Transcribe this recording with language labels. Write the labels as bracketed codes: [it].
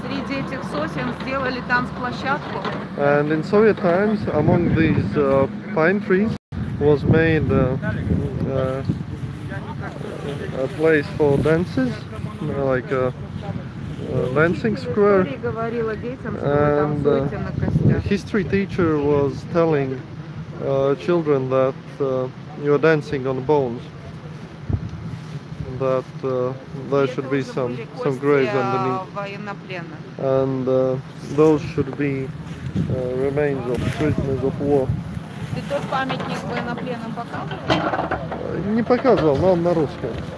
[ru] Этих сосен сделали там площадку. [en] And in Soviet times, among these pine trees was made a place for dances, like a dancing square. And history teacher was telling children that you are dancing on bones, that there should be some graves underneath, and those should be remains of prisoners of war. [ru] Ты тот памятник военнопленным показывал? Не показывал, но он на русском.